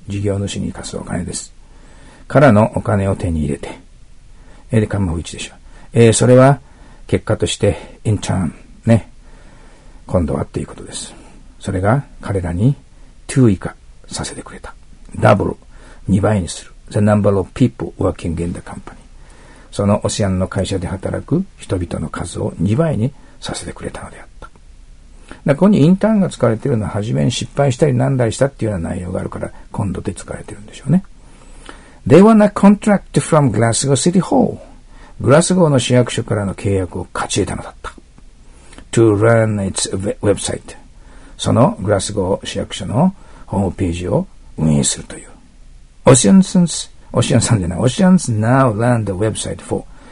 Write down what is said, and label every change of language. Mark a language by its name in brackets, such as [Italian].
[Japanese] 事業主に貸すお金です。からのお金を手に入れて、で、カムフイチでしょう。それは、結果として、in turn、ね、今度はっていうことです。それが、彼らに、2以下させてくれた。 double、2倍にする。 [English] the number of people working in the company。 [Japanese] そのオシアンの会社で働く人々の数を2倍にさせてくれたのであった。だからここに、in turn が使われているのは、初めに失敗したり、なんだりしたっていうような内容があるから、今度で使われているんでしょうね。 [English] They won a contract from Glasgow City Hall. [Japanese] グラスゴーの市役所からの契約を勝ち得たのだった。 [English] To run its website. [Japanese] そのグラスゴー市役所のホームページを運営するという。 [English] Oceans now run the website for.